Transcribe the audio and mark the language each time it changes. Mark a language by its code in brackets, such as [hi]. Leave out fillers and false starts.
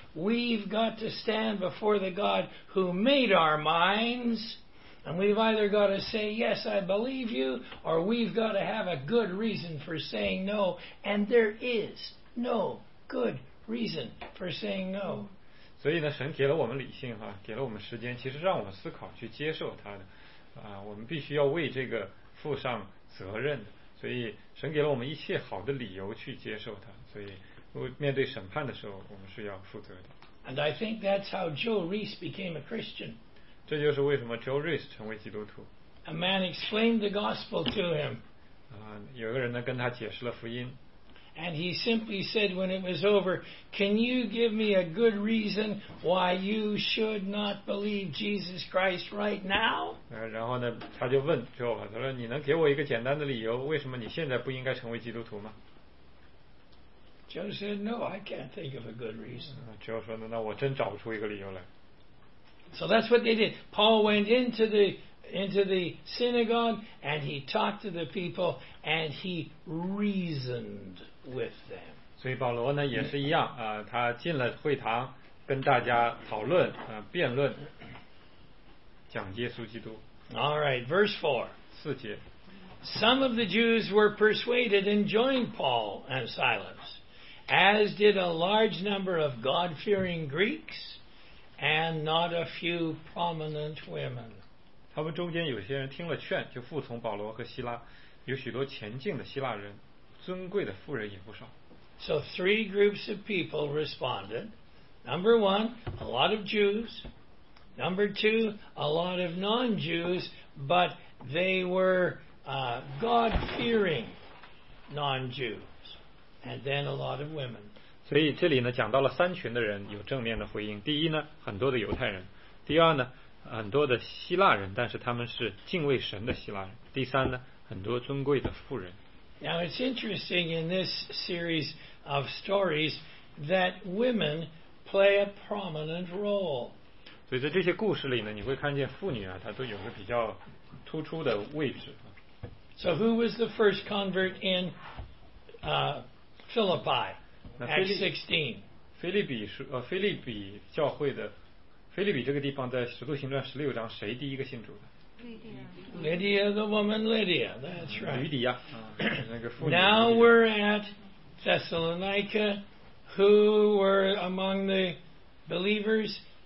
[en] We've got to stand before the God who made our minds, and we've either got to say yes, I believe you, or we've got to have a good reason for saying no. And there is no good reason for saying no. [zh] 所以呢，神给了我们理性哈，给了我们时间，其实让我们思考去接受他的，我们必须要为这个负上责任的。所以神给了我们一切好的理由去接受他，所以面对审判的时候，我们是要负责的。 [en] And I think that's how Joe Reese became a Christian. [zh] 这就是为什么 Joe Reese 成为基督徒。 [en] A man explained the gospel to him. [zh] 有个人呢跟他解释了福音。 [en] And he simply said when it was over, can you give me a good reason why you should not believe Jesus Christ right now? [zh] 然后呢他就问 Joe, 他说你能给我一个简单的理由为什么你现在不应该成为基督徒吗？ [en] Joe said, no, I can't think of a good reason. [zh] Joe 说那我真找不出一个理由来。 [en] So that's what they did. Paul went into the synagogue and he talked to the people and he reasoned with them. [zh] 所以保罗呢也是一样，他进了会堂跟大家讨论，辩论，讲耶稣基督。 [en] All right, verse 4. [zh] 四节。 [en] Some of the Jews were persuaded and joined Paul and Silas, as did a large number of God-fearing Greeks and not a few prominent women. [zh] 他们中间有些人听了劝，就服从保罗和希拉，有许多虔敬的希腊人，尊贵的妇人也不少。 [en] So three groups of people responded. Number one, a lot of Jews. Number two, a lot of non-Jews, but they were God-fearing non-Jews. And then a lot of women. [zh] 所以这里呢讲到了三群的人有正面的回应。第一呢，很多的犹太人；第二呢，很多的希腊人，但是他们是敬畏神的希腊人；第三呢，很多尊贵的妇人。 [en] Now it's interesting in this series of stories that women play a prominent role. [zh] 所以在这些故事里呢，你会看见妇女啊，她都有个比较突出的位置。 [en] So who was the first convert in Philippi? Acts 16. [zh] 腓立比教会的腓立比这个地方在使徒行传十六章，谁第一个信主的？ [en] Lydia, the woman Lydia, that's right. [zh] 吕底亚，那个妇女。 [en] Now we're at Thessalonica. Who were among the believers?